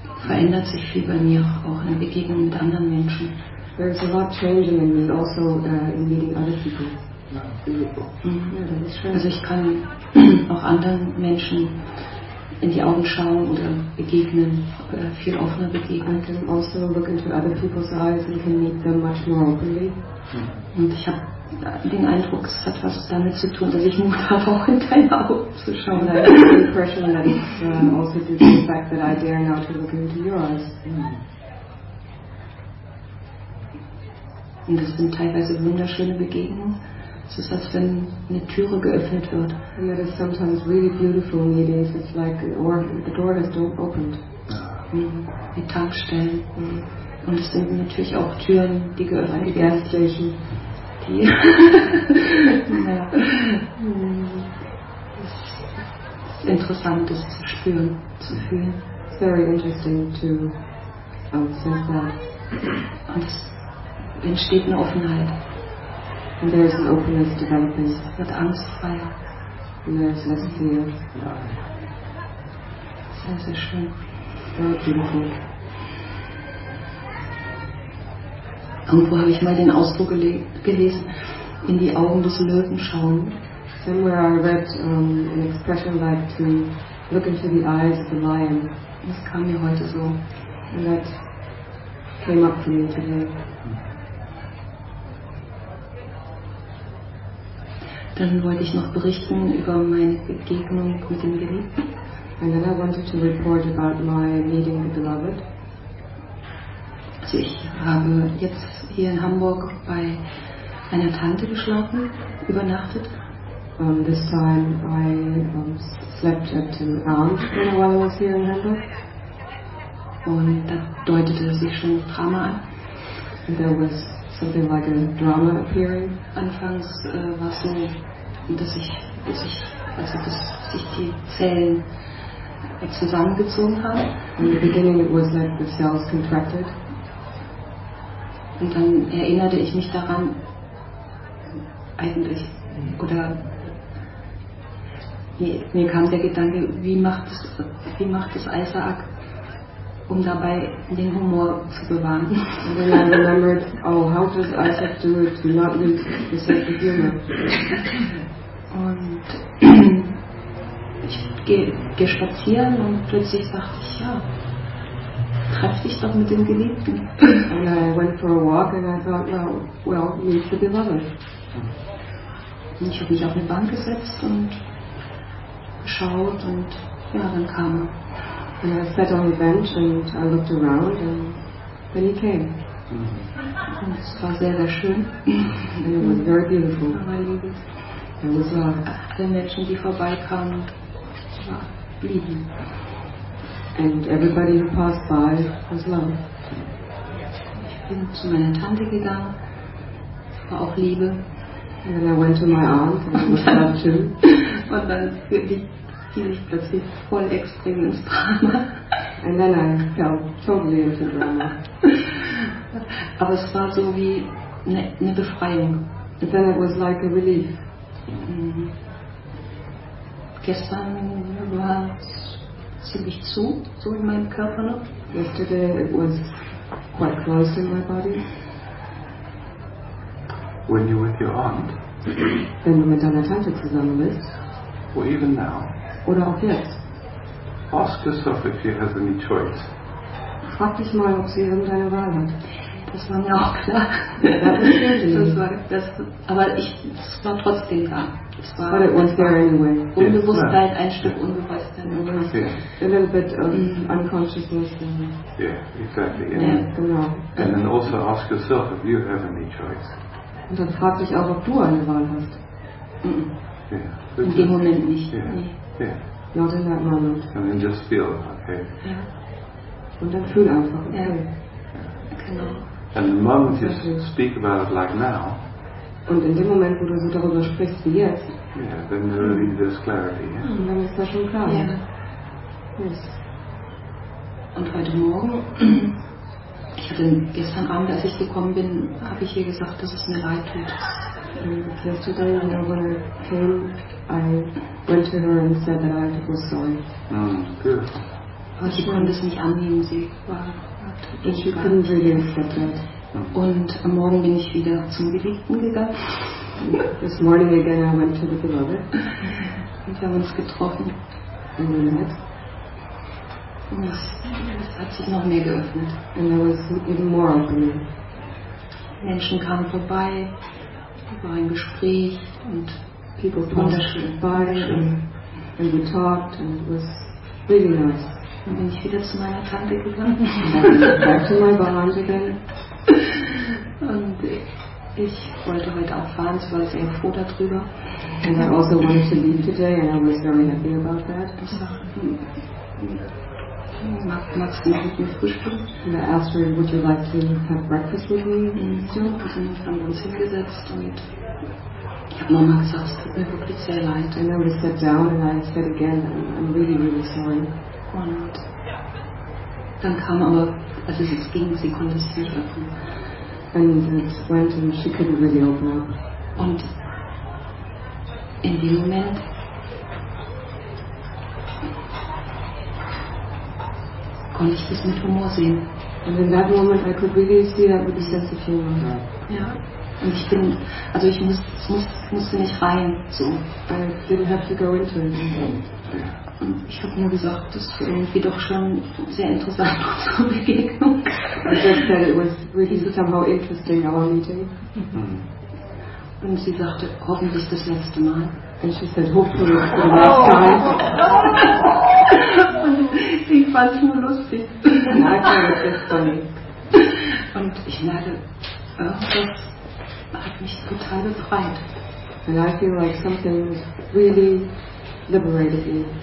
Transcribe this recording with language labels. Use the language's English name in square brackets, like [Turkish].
[German] verändert sich viel bei mir auch in Begegnung mit anderen Menschen. [English] There is a lot changing in me also in meeting other people. [German] Also ich kann auch anderen Menschen in die Augen schauen oder begegnen oder viel offener begegnen. [English] I can also look into other people's eyes and can meet them much more openly. [German] Und ich habe den Eindruck, es hat was damit zu tun, dass ich Mut habe, auch in deine Augen zu schauen. [English] I have the impression that it's also due to the fact that I dare now to look into your eyes. [German] Und es sind teilweise wunderschöne Begegnungen. Es ist, als wenn eine Türe geöffnet wird. [English] And that is sometimes really beautiful in the days. It's like the door has opened. [German] Die Tankstellen. Und es sind natürlich auch Türen, die geöffnet werden. [English] Gas station. [German] Die. Es ist interessant, das zu spüren, zu fühlen. [English] It's very interesting to sense that. [German] Und es entsteht eine Offenheit. [English] And there is an openness developing. [German] Es wird angstfreier. [English] And there is less fear. [German] Sehr, sehr schön. [English] Very beautiful. [German] Irgendwo habe ich mal den Ausdruck gelesen, in die Augen des Löwen schauen. [English] Somewhere I read an expression like to look into the eyes of the lion. [German] Das kam mir heute so. [English] And that came up for me today. [German] Dann wollte ich noch berichten über meine Begegnung mit dem Geliebten. [English] And then I wanted to report about my meeting with the beloved. [German] Also ich habe jetzt hier in Hamburg bei einer Tante geschlafen, übernachtet. [English] This time I slept at an aunt when I was here in Hamburg. [German] Und da deutete sich schon Drama an. [English] And there was something like a drama appearing. [German] Anfangs war es so, dass sich die Zellen zusammengezogen haben. [English] In the beginning it was like the cells contracted. [German] Und dann erinnerte ich mich daran, eigentlich, oder mir kam der Gedanke, wie macht es Isaac, um dabei den Humor zu bewahren. [English] And then I remembered, oh, how does Isaac do it to not lose the sense of humor? [German] Und ich gehe spazieren und plötzlich dachte ich, ja, treff dich doch mit dem Geliebten. [English] And I went for a walk and I thought, well, meet the beloved. [German] Und ich habe mich auf eine Bank gesetzt und geschaut und ja, dann kam er. [English] And I sat on the bench and I looked around and then he came. [German] Und es war sehr, sehr schön. [English] And it was very beautiful. [German] Aber liebe, alle Menschen, die vorbeikamen, blieben. [English] And everybody who passed by was love. [German] Ich bin zu meiner Tante gegangen, war auch Liebe. [English] And then I went to my aunt, and it was love too. [German] Und dann fiel ich plötzlich voll extrem ins Drama. [English] And then I fell totally into drama. [German] Aber es war so wie eine Befreiung. [English] But then it was like a relief. [German] Gestern war es ziemlich zu, so in meinem Körper noch. [English] Yesterday it was quite close in my body. When you're with your aunt. [German] Wenn du mit deiner Tante zusammen bist. [English] Or even now. [German] Oder auch jetzt. [English] Ask yourself if she has any choice. [German] Frag dich mal, ob sie irgendeine Wahl hat. Das war mir auch klar. Es war trotzdem da. Es war, [English] but it was there anyway. [German] Unbewusstheit, yeah. Ein Stück Unbewusstheit. [English] Yeah. A little bit of unconsciousness. Yeah, exactly. [German] Genau. [English] And then also ask yourself if you have any choice. [German] Und dann frag dich auch, ob du eine Wahl hast. [English] Yeah. [German] In dem Moment nicht. [English] Yeah. Nee. Yeah. Not in that moment. And then just feel, okay. [German] Yeah. Und dann fühl einfach, okay. Yeah. Genau. [English] And the moment you speak about it like now, [German] und in dem Moment, wo du so darüber sprichst wie jetzt, [English] yeah, then there really is clarity. Yeah? [German] Und dann ist das schon klar. [English] Yeah. Yes. [German] Und heute Morgen Ich hatte gestern Abend, als ich gekommen bin, habe ich ihr gesagt, dass es mir leid tut. [English] Yesterday, when I came, I went to her and said that I had to go sorry. Good. [German] Aber sie konnte es nicht annehmen. Sie war. [English] But she couldn't really accept that. [German] Und am Morgen bin ich wieder zum Geliebten gegangen. [English] This morning again, I went to the beloved. [German] Und wir haben uns getroffen. [English] In the night. [German] Und es hat sich noch mehr geöffnet. [English] And there was even more opening. [German] Menschen kamen vorbei. Es war ein Gespräch und [English] people passed by and we talked and it was really nice. [German] Dann bin ich wieder zu meiner Tante gegangen. [English] Back to my behind again. [German] Und ich wollte heute auch fahren, so war ich sehr froh darüber. [English] And I also wanted to leave today and I was very happy about that. [German] Magst du mit mir frühstücken? [English] And I asked her, would you like to have breakfast with me? [German] Und wir haben uns hingesetzt und ich habe Mama gesagt, es tut mir wirklich sehr leid. [English] And then we sat down and I said again, I'm really, really sorry. [German] Und dann kam aber, also es ging, sie konnte es nicht öffnen. [English] And it went and she couldn't really open up. [German] Und in dem Moment, konnte ich das mit Humor sehen. [English] And in that moment I could really see that with a sense of humor. [German] Ja. Und ich bin, also ich musste nicht rein, so. [English] I didn't have to go into it. [German] Und ich habe nur gesagt, das ist irgendwie doch schon sehr interessant, unsere Begegnung. [English] I just said it was really somehow interesting, our meeting. [German] Und sie sagte, hoffentlich das letzte Mal. [English] And she said, hopefully it's the last time. [German] Sie fand es nur lustig. Nein, ich fand es jetzt funny. Und ich merke, irgendwas hat mich total befreit. [English] And I feel like something was really liberated me.